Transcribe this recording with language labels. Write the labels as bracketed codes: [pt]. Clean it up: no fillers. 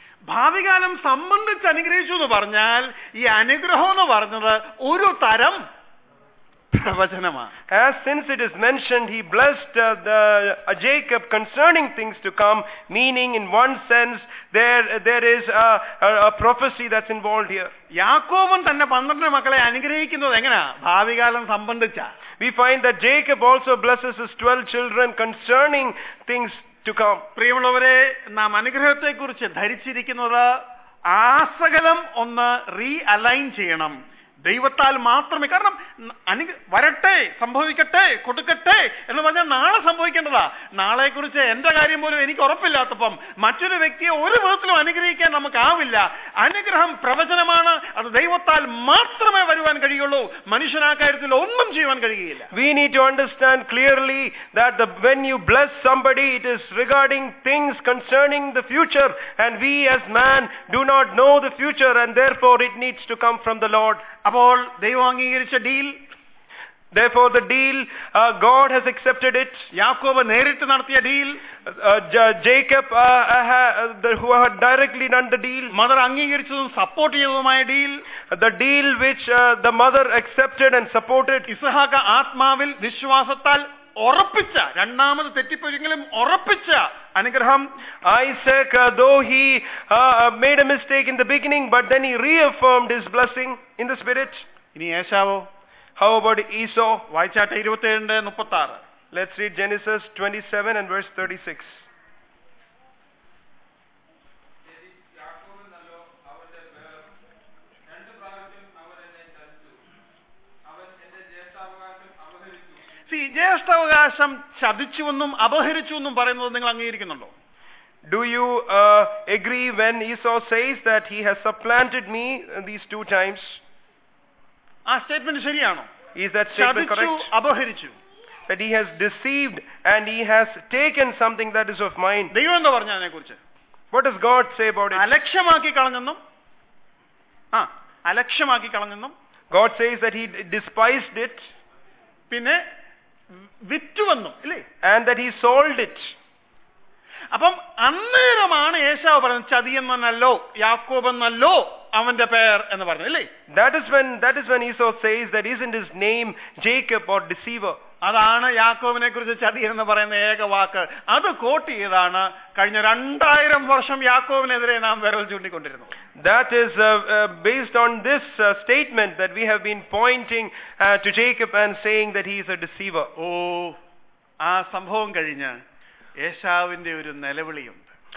[ml] ഭാവികാലം സംബന്ധിച്ച് അനുഗ്രഹിച്ചു എന്ന് പറഞ്ഞാൽ ഈ അനുഗ്രഹം എന്ന് പറഞ്ഞത് ഒരു തരം പ്രവചനമാണ്. [en] As since it is mentioned, he blessed Jacob concerning things to come, meaning in one sense there is a prophecy that's involved here. [ml] യാക്കോബൻ തന്നെ 12 മക്കളെ അനുഗ്രഹിക്കുന്നത് എങ്ങനെയാ? ഭാവികാലം സംബന്ധിച്ച. [en] We find that Jacob also blesses his 12 children concerning things. [ml] പ്രിയമുള്ളവരെ, നാം അനുഗ്രഹത്തെ കുറിച്ച് ധരിച്ചിരിക്കുന്നത് ആസകലം ഒന്ന് റീ അലൈൻ ചെയ്യണം. ദൈവത്താൽ മാത്രമേ, കാരണം വരട്ടെ സംഭവിക്കട്ടെ കൊടുക്കട്ടെ എന്ന് പറഞ്ഞാൽ നാളെ സംഭവിക്കേണ്ടതാ. നാളെ കുറിച്ച് എന്റെ കാര്യം പോലും എനിക്ക് ഉറപ്പില്ലാത്തപ്പം മറ്റൊരു വ്യക്തിയെ ഒരു വിധത്തിലും അനുഗ്രഹിക്കാൻ നമുക്കാവില്ല. അനുഗ്രഹം പ്രവചനമാണ്, അത് ദൈവത്താൽ മാത്രമേ വരുവാൻ കഴിയുള്ളൂ. മനുഷ്യനാ കാര്യത്തിൽ ഒന്നും ചെയ്യുവാൻ കഴിയില്ല. [en] We need to understand clearly that when you bless somebody, it is regarding things concerning the future, and we as man do not know the future, and therefore it needs to come from the Lord. [ml] അപ്പോൾ ദൈവം അംഗീകരിച്ച deal, [en] therefore the deal God has accepted it. [ml] യാക്കോബ് നേരിട്ട് നടത്തിയ deal, [en] Jacob who had directly done the deal. [ml] Mother അംഗീകരിച്ചതും support ചെയ്തതുമായ deal, [en] the deal which the mother accepted and supported. [ml] ഇസഹാക്ക് ആത്മാവിൽ വിശ്വാസത്താൽ ഉറപ്പിച്ച, രണ്ടാമത് തെറ്റിപ്പോയെങ്കിലും ഉറപ്പിച്ച അനുഗ്രഹം. [en] Isaac though he made a mistake in the beginning, but then he reaffirmed his blessing in the spirit. [ml] ഇനി ഏശാവോ? [en] How about Esau? [ml] വായിച്ചാട്ടെ 27:36. [en] Let's read Genesis 27 and verse 36. [ml] യാക്കോബ് നല്ലോ അവന്റെ പേർ, രണ്ട് പ്രാവശ്യം അവൻ എന്നെ ചലിച്ചു, അവൻ എന്റെ ജ്യേഷ്ഠാവകാശം അവഹേളിച്ചു. സീ ജ്യേഷ്ഠാവകാശം ചതിച്ചുവെന്നും അപഹരിച്ചുവെന്നും പറയുന്നത് നിങ്ങൾ അംഗീകരിക്കുന്നുണ്ടോ? [en] Do you agree when Esau says that he has supplanted me these two times? [ml] ആ സ്റ്റേറ്റ്മെന്റ് ശരിയാണോ? [en] Is that statement correct? [ml] ചതിച്ചു അപഹരിച്ചു. [en] That he has deceived and he has taken something that is of mine. [ml] ദൈവം എന്താ പറഞ്ഞു അതിനെക്കുറിച്ച്? [en] What does God say about it? [ml] അലക്ഷ്യമാക്കി കളഞ്ഞെന്നും അലക്ഷ്യമാക്കി കളഞ്ഞെന്നും. [en] God says that he despised it. [ml] പിന്നെ വിറ്റുവെന്നും ഇല്ലേ? [en] And that he sold it. [ml] അപ്പം അന്നേരമാണ് ഏശാവ് പറഞ്ഞത് ചതിയെന്നല്ലോ യാക്കോബെന്നല്ലോ അവന്റെ പേർ എന്ന് പറഞ്ഞു അല്ലേ? [en] That is when Esau says that isn't his name Jacob or deceiver. [ml] അതാണ് യാക്കോബിനെ കുറിച്ച് ചതി എന്ന് പറയുന്ന ഏക വാക്ക്. അത് കോട്ട് ചെയ്താണ് കഴിഞ്ഞ 2000 വർഷം യാക്കോബിനെതിരെ നാം വിരൽ ചൂണ്ടിക്കൊണ്ടിരുന്നത്. [en] That is based on this statement that we have been pointing to Jacob and saying that he is a deceiver. [ml] ഓ ആ സംഭവം കഴിഞ്ഞ് ഏശാവിന്റെ ഒരു നിലവിളിയുണ്ട്.